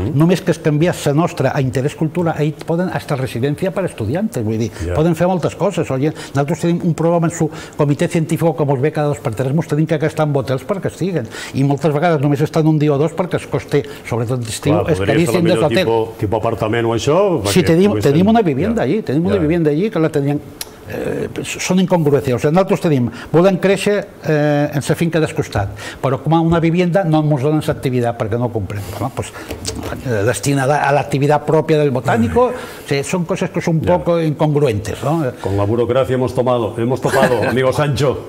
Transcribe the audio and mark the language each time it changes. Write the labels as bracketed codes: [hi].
[ca] Només que es canvia la nostra a interès cultural, ahí poden, hasta residència per estudiantes, vull dir, poden fer moltes coses. Nosaltres tenim un programa en su comitè científic que mos ve cada 2 per 3, mos tenim que estar en hotels perquè estiguen, i moltes vegades només estan un dia o dos perquè es costa, sobretot l'estiu, és caríssim des d'hotel. Tipo apartament o això? Sí, tenim una vivienda allí, tenim una vivienda allí que la tenien... Són incongruències. Nosaltres tenim, volem créixer en la finca d'escostat, però com a una vivienda no ens donen l'activitat perquè no ho comprem. Destinada a l'activitat pròpia del botànico, són coses que són un poc incongruentes. [es] Con la burocràcia hemos topado, amigo Sancho.